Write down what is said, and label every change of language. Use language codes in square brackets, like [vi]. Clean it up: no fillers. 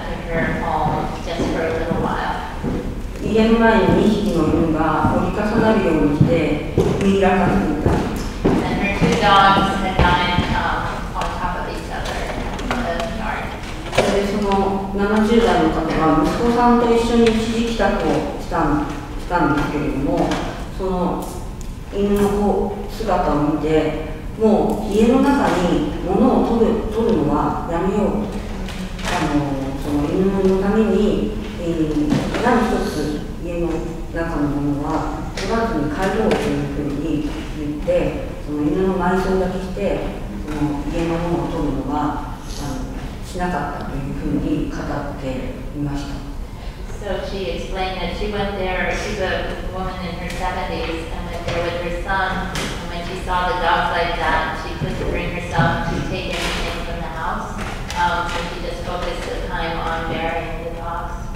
[en] And her two dogs had died on top of each other in the yard. So, [ja] 犬の姿を見て、もう家の中に物を取るのはやめようと。その犬のために、何一つ家の中のものは取らずに帰ろうというふうに言って、その犬の埋葬だけして、その家の物を取るのはしなかったというふうに語っていました。 [en] So she explained that she went there, she's a woman in her 70s, and went there with her son. And when she saw the dogs like that, she couldn't bring herself to take anything from the house. So she just focused the time on burying the dogs.